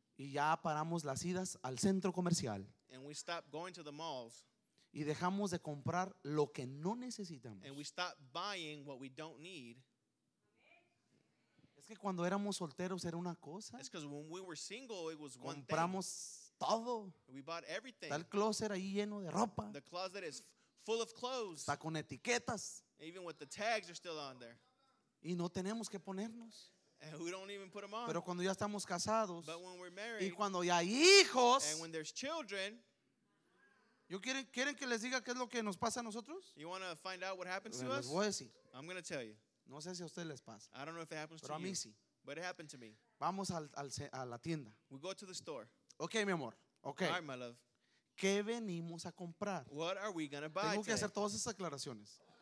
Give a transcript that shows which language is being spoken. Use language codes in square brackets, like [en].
[es] Y ya paramos las idas al centro comercial. [en] And we stop going to the malls. [es] Y dejamos de comprar lo que no necesitamos. [en] And we stop buying what we don't need. [es] Es que cuando éramos solteros era una cosa. [en] It's because when we were single it was one thing. [es] Compramos todo. [en] We bought everything. [es] Está el closet ahí lleno de ropa. [en] The closet is full of clothes. [es] Está con etiquetas. [en] Even with the tags are still on there. [es] Y no tenemos que ponernos. [en] And we don't even put them on. [es] Pero cuando ya estamos casados. [en] But when we're married. [es] Y cuando ya hay hijos. [en] And when there's children. [es] ¿Yo quieren que les diga qué es lo que nos pasa a nosotros? [en] You want to find out what happens to us? [es] Les voy a decir. [en] I'm going to tell you. [es] No sé si a ustedes les pasa. [en] I don't know if it happens [es] pero a mí [en] you, [es] sí. [en] But it happened to me. [es] Vamos a la tienda. [en] We go to the store. [es] Okay, mi amor. Okay. [en] All right, my love. [es] ¿Qué venimos a comprar? [en] What are we going to buy? [es] Tengo que hacer todas esas aclaraciones.